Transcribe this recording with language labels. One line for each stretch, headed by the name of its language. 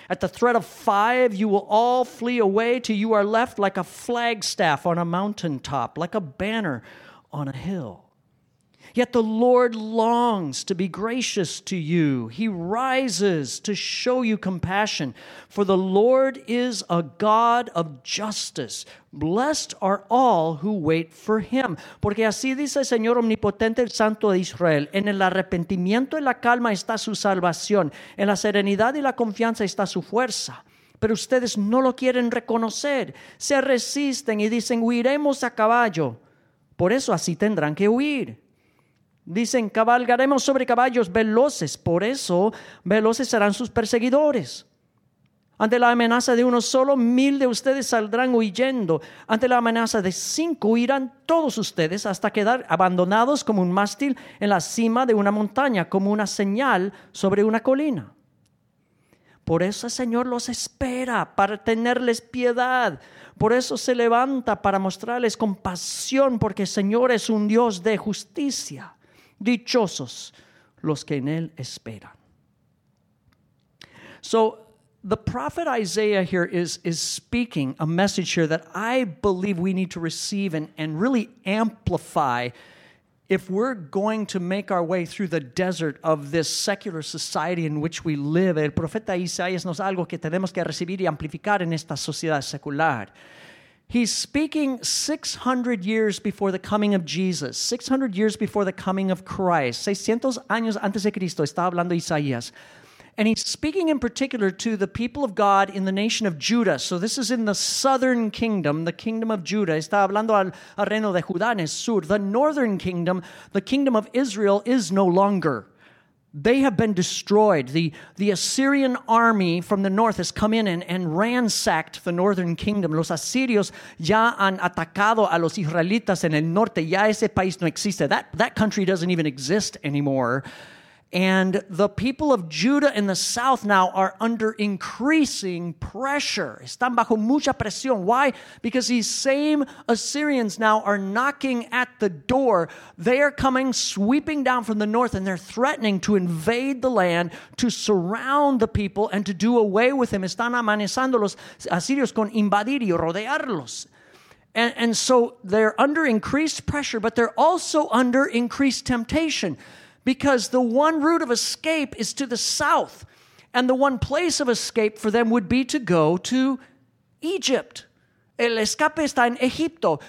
English: At the threat of five, you will all flee away till you are left like a flagstaff on a mountaintop, like a banner on a hill. Yet the Lord longs to be gracious to you. He rises to show you compassion. For the Lord is a God of justice. Blessed are all who wait for him.
Spanish: Porque así dice el Señor Omnipotente, el Santo de Israel. En el arrepentimiento y la calma está su salvación. En la serenidad y la confianza está su fuerza. Pero ustedes no lo quieren reconocer. Se resisten y dicen, huiremos a caballo. Por eso así tendrán que huir. Dicen, cabalgaremos sobre caballos veloces, por eso veloces serán sus perseguidores. Ante la amenaza de uno solo, 1,000 de ustedes saldrán huyendo. Ante la amenaza de 5, huirán todos ustedes hasta quedar abandonados como un mástil en la cima de una montaña, como una señal sobre una colina. Por eso el Señor los espera, para tenerles piedad. Por eso se levanta para mostrarles compasión, porque el Señor es un Dios de justicia. Dichosos los que en él esperan.
English: So the prophet Isaiah here is speaking a message here that I believe we need to receive and really amplify if we're going to make our way through the desert of this secular society in which we live.
Spanish: El profeta Isaías nos algo que tenemos que recibir y amplificar en esta sociedad secular.
English: He's speaking 600 years before the coming of Jesus, 600 years before the coming of Christ.
Spanish: 600 años antes de Cristo está hablando Isaías.
English: And he's speaking in particular to the people of God in the nation of Judah. So this is in the southern kingdom, the kingdom of Judah.
Spanish: Está hablando al reino de Judá en el sur.
English: The northern kingdom, the kingdom of Israel, is no longer. They have been destroyed. The Assyrian army from the north has come in and ransacked the northern kingdom.
Spanish: Los asirios ya han atacado a los israelitas en el norte. Ya ese país no existe.
English: That country doesn't even exist anymore. And the people of Judah in the south now are under increasing pressure.
Spanish: Están bajo mucha presión.
English: Why? Because these same Assyrians now are knocking at the door. They are coming, sweeping down from the north, and they're threatening to invade the land, to surround the people, and to do away with them.
Spanish: Están amenazando los asirios con invadir y rodearlos.
English: And so they're under increased pressure, but they're also under increased temptation. Because the one route of escape is to the south, and the one place of escape for them would be to go to Egypt.
Spanish: El escape está en Egipto.